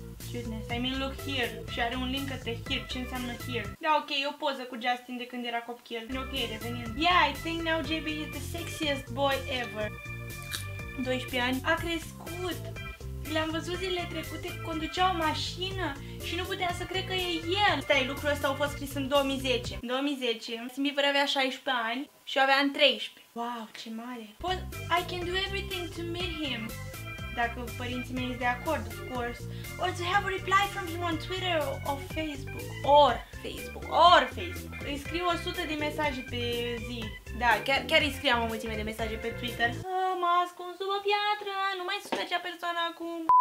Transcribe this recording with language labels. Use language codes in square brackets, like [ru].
[en] Cuteness, I mean look here. [ro] Și are un link către here, ce înseamnă here. Da, ok, e o poză cu Justin de când era copil. Ok, revenind. [en] Yeah, I think now JB is the sexiest boy ever. [ro] 12 ani. A crescut. L-am văzut zilele trecute, conducea o mașină și nu putea să cred că e el. Stai, lucrul ăsta a fost scris în 2010. În 2010, Simi vor avea 16 ani și eu aveam 13. Wow, ce mare. [en] But I can do everything to meet him. [ro] Dacă părinții mei sunt de acord, [en] of course. Or to have a reply from him on Twitter or Facebook. Or Facebook. [ro] Îi scriu 100 de mesaje pe zi. Da, chiar îi scriam o mulțime de mesaje pe Twitter. M-a ascuns sub o piatră, nu mai sunt acea persoană acum.